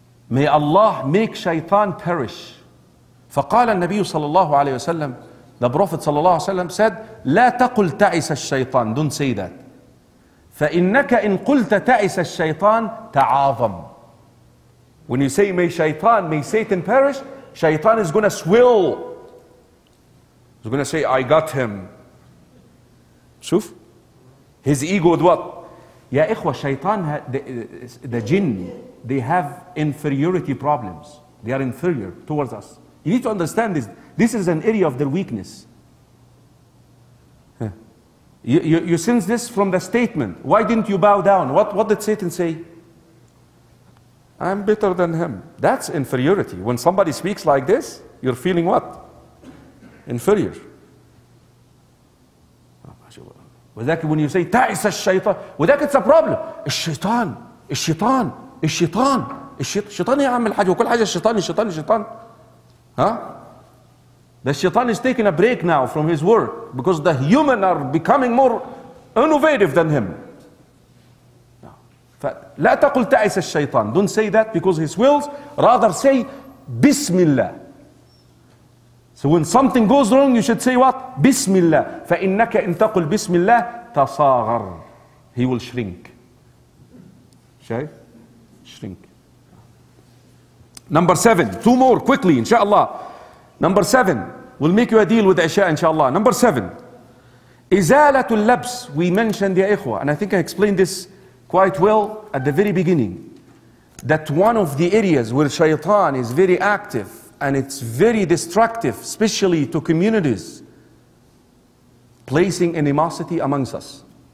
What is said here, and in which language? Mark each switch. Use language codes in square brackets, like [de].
[en] May Allah make shaitan perish. [ar] فقال النبي صلى الله عليه وسلم, [en] the Prophet [ar] صلى الله عليه وسلم said, لا تقل تعس الشيطان. [en] Don't say that. [ar] فإنك إن قلت تعس الشيطان تعاظم. [en] When you say may shaitan, may Satan perish, shaitan is going to swell. He's going to say, I got him. شوف. His ego is what? [ar] يا إخوة, [en] شيطان, the jinn, they have inferiority problems. They are inferior towards us. You need to understand this. This is an area of their weakness. You sense this from the statement. Why didn't you bow down? What did Satan say? I'm better than him. That's inferiority. When somebody speaks like this, you're feeling what? Inferior. When you say, [ar] تعس الشيطان, وذاك, [en] it's a problem. [ar] الشيطان, الشيطان, الشيطان. الشيطان يا عم الحاج وكل حاجة الشيطان الشيطان الشيطان. [en] The shaitan is taking a break now from his work because the human are becoming more innovative than him. [ar] لا تقل تعس الشيطان. [en] Don't say that because his wills. Rather say بسم الله. So when something goes wrong, you should say what? [ar] بسم الله. فإنك إن تقل بسم الله تصاغر. [en] He will shrink. شايف؟ Shrink. Number seven, two more quickly, inshallah. Number seven, we'll make you a deal with Isha, inshallah. Number seven, [ar] إزالة اللبس. [en] We mentioned, [ar] يا إخوة, [en] and I think I explained this quite well at the very beginning. that one of the areas where shaitan is very active and it's very destructive, especially to communities, placing animosity amongst us.